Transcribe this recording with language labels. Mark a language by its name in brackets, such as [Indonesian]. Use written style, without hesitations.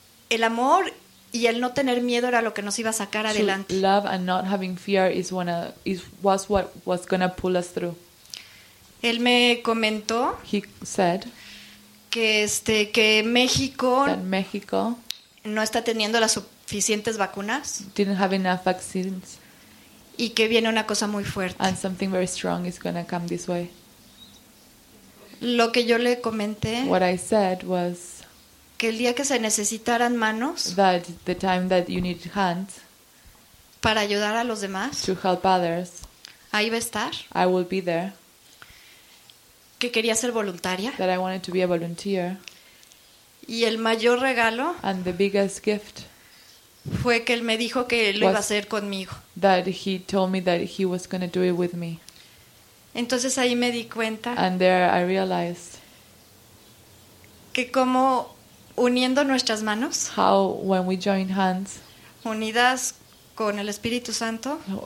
[Spanish] El amor y el no tener miedo era lo que nos iba a sacar adelante. [English] Love and not having fear was what was gonna pull us through. [Spanish] Él me comentó. [English] He said [Spanish] que México. [English] That Mexico [Spanish] no está teniendo las suficientes vaccines. [English] Didn't have enough vaccines. [Spanish] Y que viene una cosa muy fuerte. [English] And something very strong is gonna come this way. [Spanish] Lo que yo le comenté. [English] What I said was. [Spanish] Que el día que se necesitaran manos, [English] that the time that you need hands, [Spanish] para ayudar a los demás, [English] to help others, [Spanish] ahí va a estar. [English] I will be there. [Spanish] Que quería ser voluntaria, [English] that I wanted to be a volunteer. [Spanish] Y el mayor regalo, [English] and the biggest gift, [Spanish] fue que él me dijo que lo iba a hacer conmigo. [English] That he told me that he was going to do it with me. [Spanish] Entonces ahí me di cuenta, [English] and there I realized, [Spanish] que como uniendo nuestras manos, [English] how when we join hands, [Spanish] unidas con el Espíritu Santo,